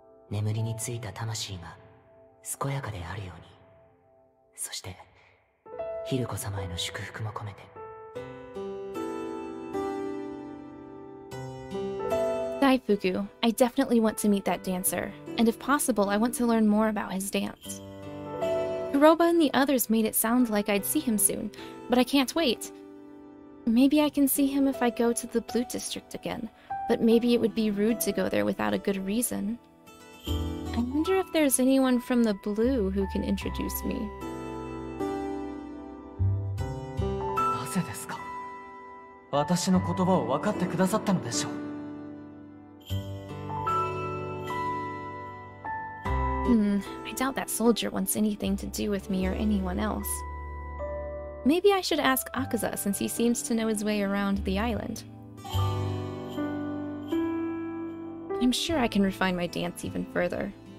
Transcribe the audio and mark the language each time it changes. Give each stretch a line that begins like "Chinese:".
Japanese: 眠りについた魂が健やかであるように、そしてヒルコ様への祝福も込めて。
English: Daifuku, I definitely want to meet that dancer, and if possible, I want to learn more about his dance. Kuroba and the others made it sound like I'd see him soon, but I can't wait. Maybe I can see him if I go to the Blue District again, but maybe it would be rude to go there without a good reason. I wonder if there's anyone from the Blue who can introduce me.
Japanese: なぜですか? 私の言葉を分かってくださったのでしょう?
English: I doubt that soldier wants anything to do with me or anyone else. Maybe I should ask Akaza, since he seems to know his way around the island. I'm sure I can refine my dance even further.